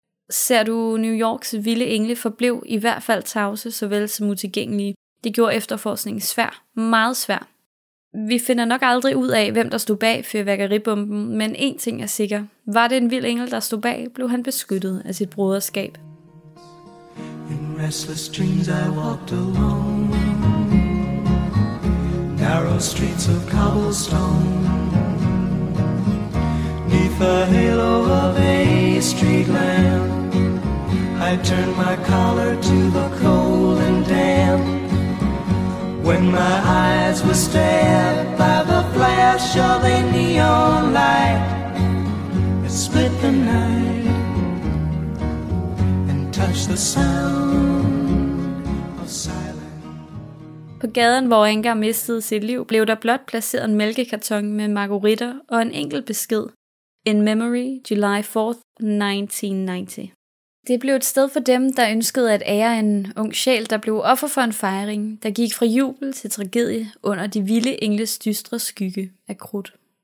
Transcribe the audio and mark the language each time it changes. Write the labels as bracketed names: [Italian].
[Danish] Ser du, New Yorks vilde engle forblev i hvert fald tavse, såvel som utilgængelige. Det gjorde efterforskningen svær, meget svær. Vi finder nok aldrig ud af, hvem der stod bag fyrværkeribomben, men én ting er sikker. Var det en vild engel, der stod bag, blev han beskyttet af sit broderskab. [English] In restless dreams I walked alone. Narrow streets of cobblestone. Neath the halo of a street lamp, I turned my collar to the cold and damp. When my eyes were stared by the flash of a neon light, it split the night and touched the sound of silence. [Danish] På gaden, hvor Inger mistede sit liv, blev der blot placeret en mælkekarton med margueritter og en enkelt besked. [English] In memory, July 4th, 1990. [Danish] Det blev et sted for dem, der ønskede at ære en ung sjæl, der blev offer for en fejring, der gik fra jubel til tragedie under de vilde engles dystre skygge af krudt.